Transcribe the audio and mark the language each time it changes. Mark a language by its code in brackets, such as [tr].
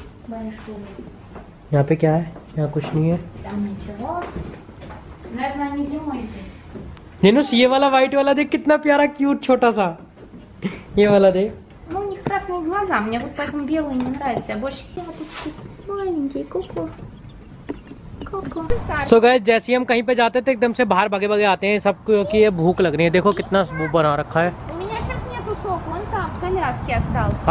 [hi] यहाँ पे क्या है, यहाँ कुछ नहीं है। Ненус, ये वाला व्हाइट वाला देख कितना प्यारा क्यूट छोटा सा। ये वाला देख। [ru] Ну, у них красные глаза, мне вот поэтому белые не нравятся, а больше все вот эти маленькие ку-ку. [en] So guys, [hi] जैसे ही हम कहीं पे जाते थे एकदम से बाहर भागे भागे आते हैं सब, क्योंकि ये भूख लग रही है। देखो कितना वो बना रखा है। [ru] У меня сейчас нету сок, он там в коляске остался.